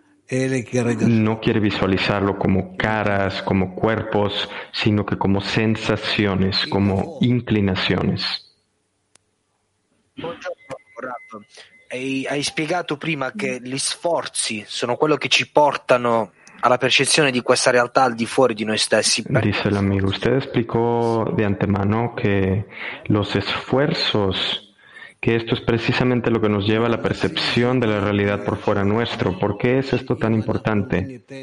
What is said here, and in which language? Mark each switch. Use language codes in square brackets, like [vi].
[es] No quiere visualizarlo como caras, como cuerpos, sino que como sensaciones, como inclinaciones. [it] Hai spiegato prima che gli sforzi sono quello che ci portano alla percezione di questa realtà al di fuori di noi stessi. Dice l'amico, [es] usted explicó de antemano que los esfuerzos, que esto es precisamente lo que nos lleva a la percepción de la realidad por fuera nuestro. ¿Por qué es esto tan importante?